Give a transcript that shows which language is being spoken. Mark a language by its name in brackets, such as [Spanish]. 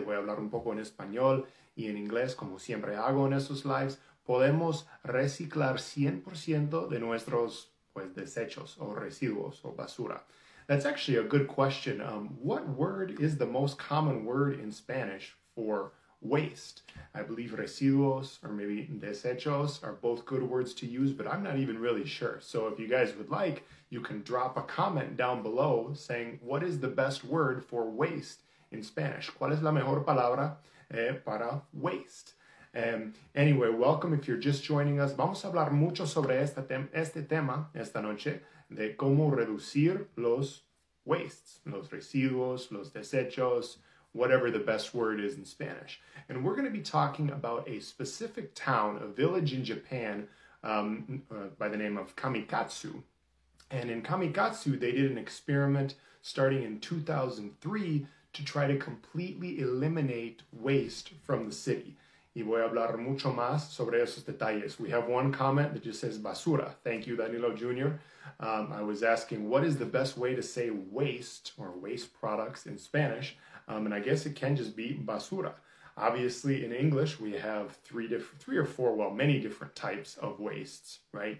[Spanish] Voy a hablar un poco en español y en inglés, como siempre hago en estos lives. ¿Podemos reciclar 100% de nuestros desechos o residuos o basura? [English] That's actually a good question. What word is the most common word in Spanish for waste? I believe residuos or maybe desechos are both good words to use, but I'm not even really sure. So if you guys would like, you can drop a comment down below saying, what is the best word for waste in Spanish? [Spanish] ¿Cuál es la mejor palabra para waste? [English] Anyway, welcome if you're just joining us. [Spanish] Vamos a hablar mucho sobre este tema esta noche de cómo reducir los wastes, los residuos, los desechos, [English] whatever the best word is in Spanish. And we're going to be talking about a specific town, a village in Japan by the name of Kamikatsu. And in Kamikatsu, they did an experiment starting in 2003 to try to completely eliminate waste from the city. [Spanish] Y voy a hablar mucho más sobre esos detalles. [English] We have one comment that just says basura. Thank you, Danilo Jr. I was asking, what is the best way to say waste or waste products in Spanish? And I guess it can just be basura. Obviously, in English, we have many different types of wastes, right?